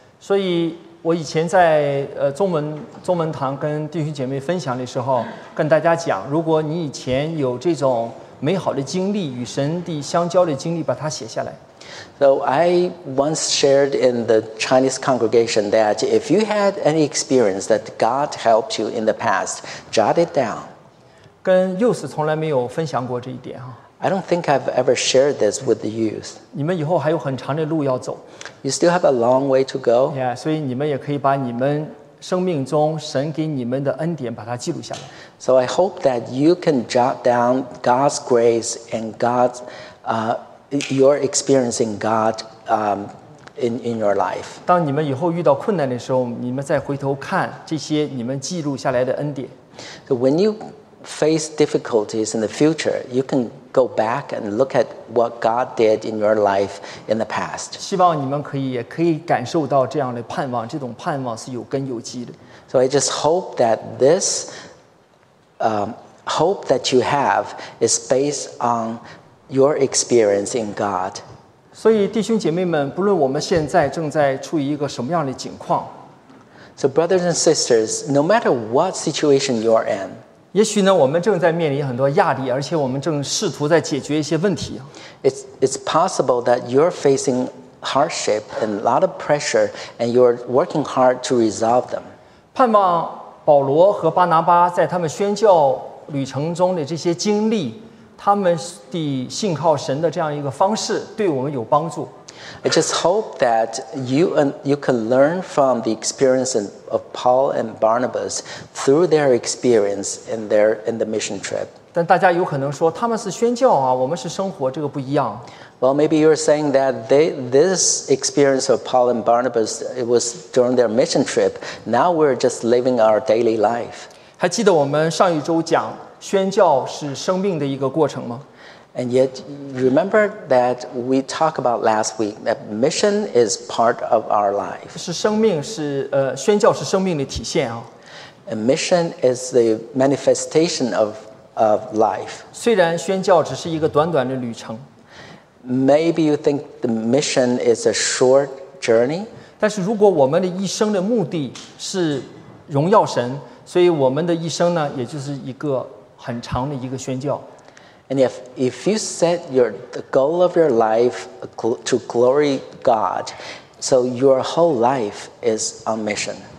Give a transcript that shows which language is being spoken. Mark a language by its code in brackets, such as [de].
[zh] 所以我以前在中文堂跟弟兄姐妹分享的时候，跟大家讲，如果你以前有这种美好的经历，与神的相交的经历，把它写下来。 [en] So I once shared in the Chinese congregation that if you had any experience that God helped you in the past, jot it down. [zh] 跟幼师从来没有分享过这一点。 [en] I don't think I've ever shared this with the youth. [zh] 你们以后还有很长的路要走。 [en] You still have a long way to go. [zh] Yeah, 所以你们也可以把你们生命中神给你们的恩典把它记录下来。 [en] So I hope that you can jot down God's grace and God's, your experience in God, in your life. [zh] 当你们以后遇到困难的时候，你们再回头看这些你们记录下来的恩典。 [en] So when you face difficulties in the future, you can go back and look at what God did in your life in the past. [zh] 希望你们可以也可以感受到这样的盼望，这种盼望是有根有基的。 [en] So I just hope that this, hope that you have is based on your experience in God. [zh] 所以弟兄姐妹们，不论我们现在正在处于一个什么样的境况。 [en] So brothers and sisters, no matter what situation you are in, [zh] 也许呢，我们正在面临很多压力，而且我们正试图在解决一些问题。 [en] It's possible that you're facing hardship and a lot of pressure, and you're working hard to resolve them. [zh] 盼望保罗和巴拿巴在他们宣教旅程中的这些经历，他们的信靠神的这样一个方式，对我们有帮助。 [en] I just hope that you can learn from the experience of Paul and Barnabas through their experience in the mission trip. [zh] 但大家有可能说他们是宣教啊，我们是生活，这个不一样。 [en] Well, maybe you're saying that this experience of Paul and Barnabas it was during their mission trip. Now we're just living our daily life. [zh] 还记得我们上一周讲宣教是生命的一个过程吗？ [en] And yet, remember that we talked about last week that mission is part of our life. [zh] 是生命是宣教是生命的体现啊。 [en] A mission is the manifestation of life. [zh] 虽然宣教只是一个短短的旅程。 [en] Maybe you think the mission is a short journey. [zh] 但是如果我们的一生的目的是荣耀神，所以我们的一生呢，也就是一个很长的一个宣教。 [en] And if you set the goal of your life to glory God, so your whole life is on mission.